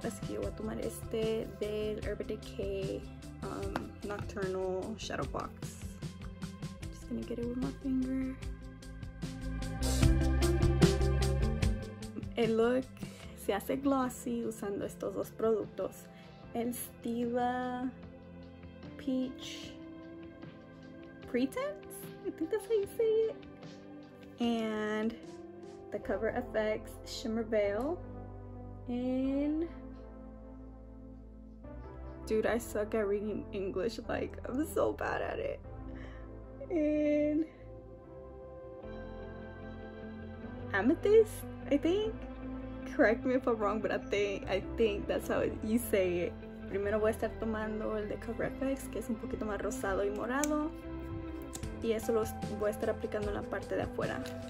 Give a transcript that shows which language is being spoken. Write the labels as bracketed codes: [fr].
[es] Así que yo voy a tomar este del Urban Decay Nocturnal Shadow Box. [en] Just gonna get it with my finger. [es] El look se hace glossy usando estos dos productos. [en] El Stila Peach Pretense, I think that's how you say it, and the Cover FX Shimmer Veil in, dude, I suck at reading English, like I'm so bad at it, in Amethyst, I think, correct me if I'm wrong, but I think that's how you say it. [es] primero voy a estar tomando el de Cover FX, que es un poquito más rosado y morado. Y eso lo voy a estar aplicando en la parte de afuera.